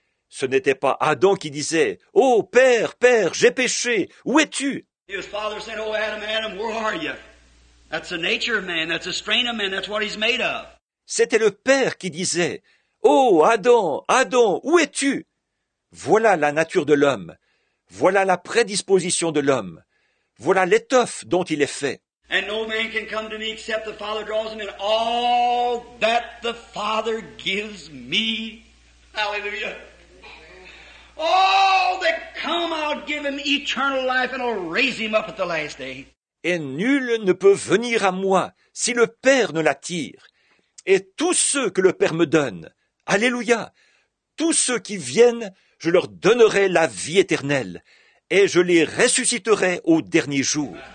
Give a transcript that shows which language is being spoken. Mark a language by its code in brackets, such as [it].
[fr] Ce n'était pas Adam qui disait, oh, Père, j'ai péché. Où es-tu? [en] His father said, oh, Adam, where are you? That's the nature of man. That's the strain of man. That's what he's made of. [fr] C'était le père qui disait, oh, Adam, où es-tu? Voilà la nature de l'homme. Voilà la prédisposition de l'homme. Voilà l'étoffe dont il est fait. [en] And no man can come to me except the Father draws him, and all that the Father gives me. Hallelujah. All that come, I'll give him eternal life, and I'll raise him up at the last day. [fr] Et nul ne peut venir à moi si le Père ne l'attire. Et tous ceux que le Père me donne, alléluia, tous ceux qui viennent, je leur donnerai la vie éternelle, et je les ressusciterai au dernier jour.